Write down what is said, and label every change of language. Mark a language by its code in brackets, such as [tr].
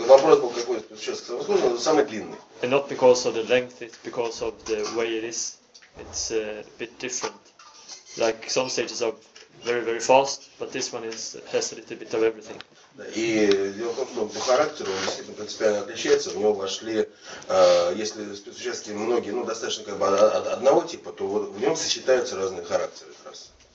[ru] вопрос был какой-то, самый длинный. [en] And not because of the length, it's because of the way it is. It's a bit different. Like some stages are very, very fast, but this one is has a little bit of everything. [ru] И дело в том, что по характеру он действительно принципиально отличается. В него вошли, если спецучастки многие, ну, достаточно как бы одного типа, то в нем сочетаются разные характеры трассы.